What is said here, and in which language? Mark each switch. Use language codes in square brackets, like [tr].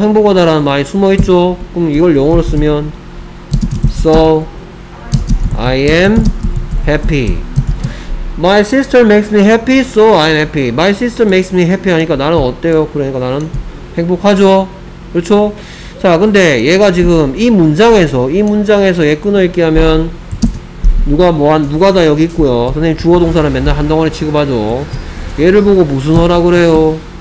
[ko] 행복하다라는 말이 숨어있죠. 그럼 이걸 영어로 쓰면 [en] So I am happy. My sister makes me happy. So I am happy. My sister makes me happy [ko] 하니까 나는 어때요? 그러니까 나는 행복하죠. 그렇죠. 자, 근데 얘가 지금 이 문장에서 얘 끊어있게 하면 누가 다 여기 있고요. 선생님 주어 동사는 맨날 한 덩어리 취급하죠. 얘를 보고 무슨 어라 그래요?